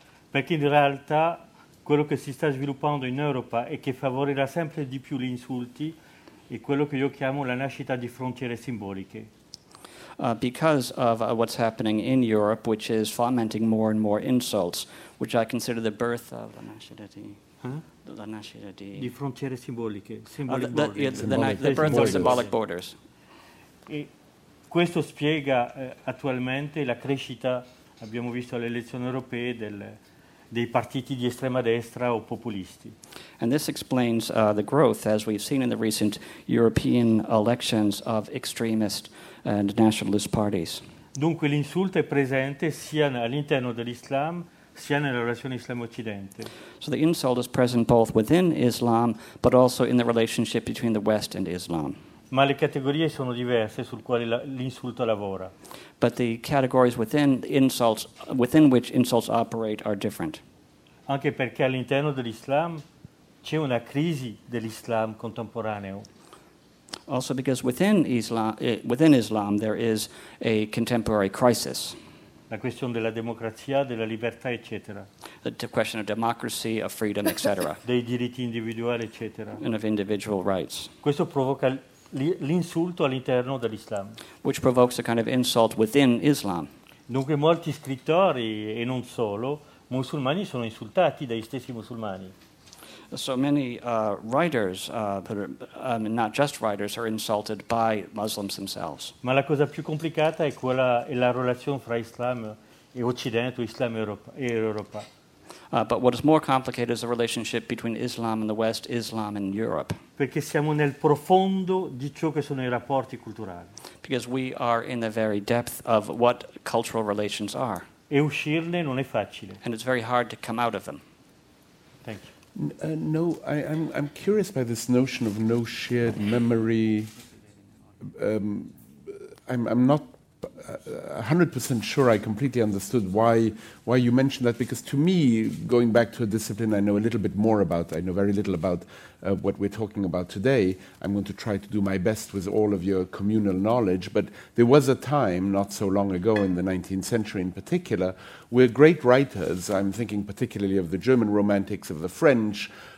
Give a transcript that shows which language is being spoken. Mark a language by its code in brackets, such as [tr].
[it] Perché in realtà quello che si sta sviluppando in Europa e che favorirà sempre di più gli insulti è quello che io chiamo la nascita di frontiere simboliche. [en] Because of what's happening in Europe, which is fomenting more and more insults, which I consider the birth of [it] la nascita di... Huh? La nascita di... Di frontiere simboliche. [en] The birth of symbolic borders. [it] E questo spiega attualmente la crescita, abbiamo visto alle elezioni europee, dei partiti di estrema destra o populisti. [en] And this explains the growth, as we've seen in the recent European elections, of extremist and nationalist parties. [it] Dunque l'insulto è presente sia all'interno dell'Islam sia nella relazione Islam-Occidente. [en] So the insult is present both within Islam but also in the relationship between the West and Islam. [it] Ma le categorie sono diverse sul quale l'insulto lavora. [en] But the categories within which insults operate are different. [it] Anche perché all'interno dell'Islam c'è una crisi dell'Islam contemporaneo. [en] Also because within Islam there is a contemporary crisis. [it] La questione della democrazia, della libertà, eccetera. [en] The question of democracy, of freedom, etc. [it] Dei diritti individuali, eccetera. [en] And of individual rights. [it] Questo provoca l'insulto all'interno dell'Islam. [en] Which provokes a kind of insult within Islam. [it] Dunque molti scrittori, e non solo, musulmani sono insultati dagli stessi musulmani. [en] So many writers, not just writers, are insulted by Muslims themselves. [it] Ma la cosa più complicata è la relazione fra Islam e Occidente, Islam e Europa. [en] But what is more complicated is the relationship between Islam and the West, Islam and Europe. [it] Perché siamo nel profondo di ciò che sono i rapporti culturali. [en] Because we are in the very depth of what cultural relations are. [it] E uscirne non è facile. [en] And it's very hard to come out of them. Thank you. I'm curious by this notion of no shared memory. I'm not 100% sure I completely understood why you mentioned that, because to me, going back to a discipline I know a little bit more about, I know very little about what we're talking about today, I'm going to try to do my best with all of your communal knowledge, but there was a time, not so long ago, in the 19th century in particular, where great writers, I'm thinking particularly of the German Romantics, of the French,